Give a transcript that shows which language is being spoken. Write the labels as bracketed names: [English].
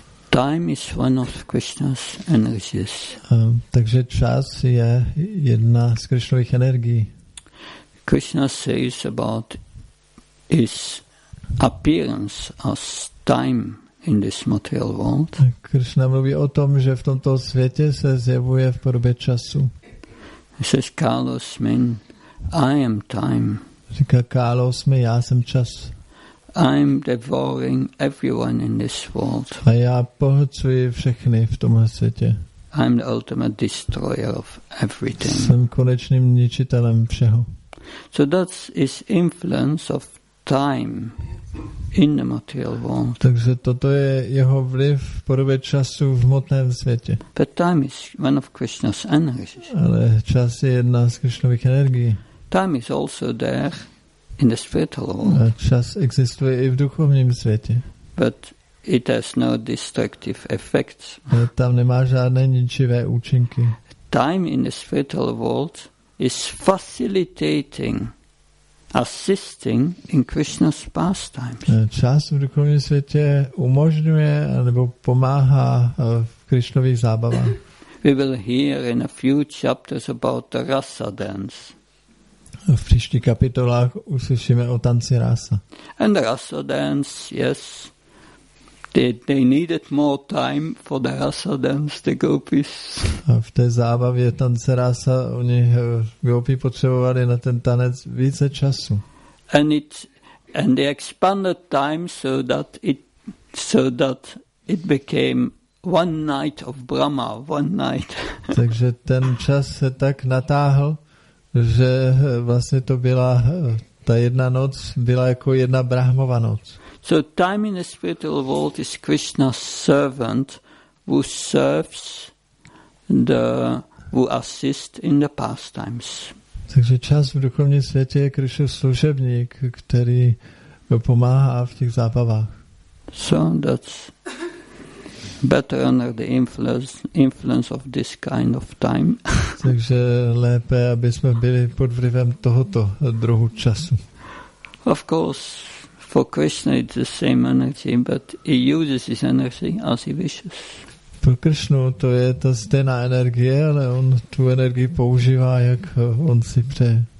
[English] Time is one of Krishna's energies. [Czech] Takže čas je jedna z Krishnových energií. [English] Krishna says about his appearance as time in this material world. [Czech] Krishna mluví o tom, že v tomto světě se zjevuje v podobě času. [English] He says, Kalos mean, I am time. [Czech] Říká Kalos mi, já jsem čas. [English] I am devouring everyone in this world. [Czech] A já pohlcuji všechny v tomhle světě. [English] I am the ultimate destroyer of everything. [Czech] Jsem konečným ničitelem všeho. [English] So that's his influence of time in the material world. [Czech] Takže toto je jeho vliv v podobě času v hmotném světě. [English] But time is one of Krishna's energies. [Czech] Ale čas je jedna z Krishnových energií. [English] Time is also there in the spiritual world. [Czech] A čas existuje i v duchovním světě. [English] But it has no destructive effects. [Czech] Ale tam nemá žádné ničivé účinky. [English] Time in the spiritual world is facilitating, assisting in Krishna's pastimes. [Czech] Čas v duchovním světě umožňuje nebo pomáhá v Krishnových zábavách. [English] We will hear in a few chapters about the rasa dance. [Czech] V příštích kapitolách uslyšíme o tanci rasa. [English] And the rasa dance, yes, they needed more time for the rasa dance, the gopis. [Czech] A v té zábavě tance rasa oni gopi potřebovali na ten tanec více času. [English] And they expanded time so that it became one night of Brahma, one night. [Czech] Takže ten čas se tak natáhl, že vlastně to byla ta jedna noc byla jako jedna Brahmova noc. [English] So time in the spiritual world is Krishna's servant who serves the who assists in the pastimes. [Czech] Takže čas v duchovním světě je Krishnův služebník, který pomáhá v těch zábavách. [English] So that's better under the influence of this kind of time. [Czech] Takže lépe, aby jsme byli pod vlivem tohoto druhu času. [English] Of course, for Krishna it's the same energy, but he uses his energy as he wishes. [Czech] Pro Krishnu to je ta stejná energie, ale on tu energii používá, jak on si přeje.